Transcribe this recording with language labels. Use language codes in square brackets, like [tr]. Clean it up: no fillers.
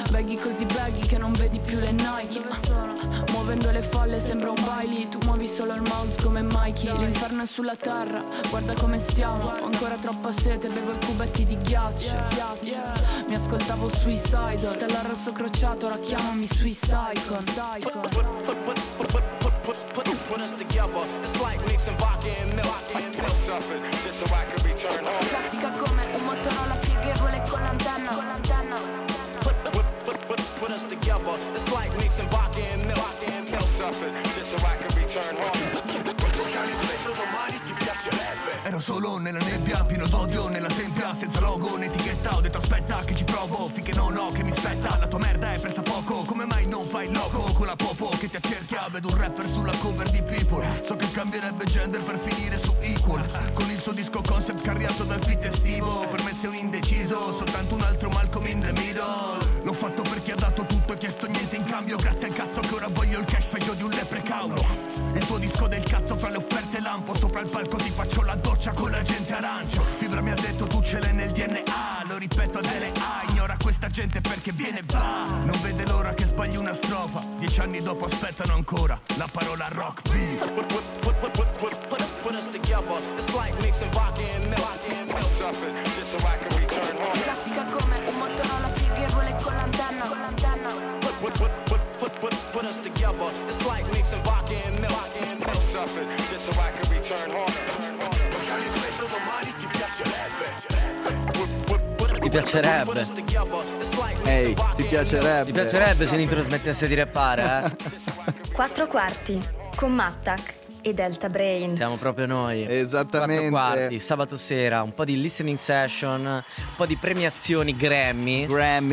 [it] Baggy così baggy che non vedi più le Nike. Muovendo le folle sembra un baile. Tu muovi solo il mouse come Mikey. L'inferno è sulla terra, guarda come stiamo. Ho ancora troppa sete, bevo i cubetti di ghiaccio. Mi ascoltavo Suicide. Stella rosso crociato, ora chiamami Suicide. [en] Put us together, it's like mixing vodka and milk. I can tell something just so I can return home. [it] Classica come un motorola pieghevole con l'antenna. [en] Put us together, it's like mixing vodka and milk. suffered, just so I could return home. [it] Ero solo nella nebbia, pieno d'odio nella tempia, senza logo né etichetta. Ho detto aspetta che ci provo, finché non ho che mi spetta. La tua merda è presa poco, come mai non fai il loco? Con la popo che ti accerchia, vedo un rapper sulla cover di People. So che cambierebbe gender per finire su Equal. Con il suo disco concept carriato dal fit estivo, per me sei un indeciso, soltanto un altro Malcolm in the middle. L'ho fatto per chi ha dato tutto e chiesto niente in cambio. Grazie al cazzo che ora voglio il cash, peggio di un leprechaun. Il tuo disco del cazzo fra le offerte lampo, sopra il palco ti faccio la doccia con la gente arancio. Fibra mi ha detto tu ce l'hai nel DNA, lo ripeto delle A, ignora questa gente perché viene va. Non vede l'ora che sbagli una strofa, 10 anni dopo aspettano ancora la parola rock B. [en] Put us together, it's like mixing vodka and milk. I'm suffering just so I can return home. [it] Classica come un motorola pieghevole con l'antenna. [en] Put us together, it's like mixing vodka and milk. I'm suffering just so I can return home. [it] Ti piacerebbe? Ehi, ti piacerebbe? Ti piacerebbe se Nitro smettesse di rappare, eh? Quattro quarti con Mattak e Delta Brain. Siamo proprio noi. Esattamente. Quattro quarti, sabato sera, un po' di listening session, un po' di premiazioni Grammy. Grammy.